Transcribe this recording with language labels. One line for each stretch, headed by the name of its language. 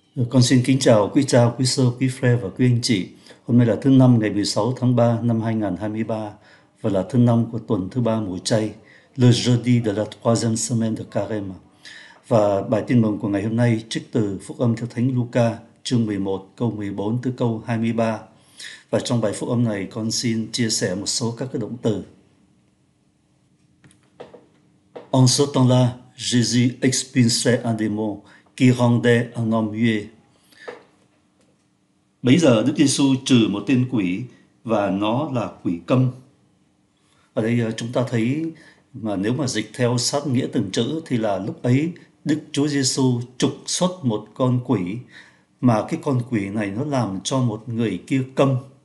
Vietnamese: Con xin kính chào quý cha, quý sơ, quý phre và quý anh chị. Hôm nay là thứ năm ngày 16 tháng 3 năm 2023 và là thứ năm của tuần thứ ba mùa chay,
French: Le jeudi de la troisième semaine de carême.
Vietnamese: Và bài tin mừng của ngày hôm nay trích từ Phúc âm theo Thánh Luca chương 11 câu 14 tới câu 23. Và trong bài Phúc âm này con xin chia sẻ một số các cái động từ.
French: En ce temps-là, Jésus expulsait un démon qui rendait un homme muet.
Vietnamese: Bây giờ Đức Giêsu trừ một tên quỷ và nó là quỷ câm. Ở đây chúng ta thấy mà nếu mà dịch theo sát nghĩa từng chữ thì là lúc ấy Đức Chúa Giêsu trục xuất một con quỷ mà cái con quỷ này nó làm cho một người kia câm.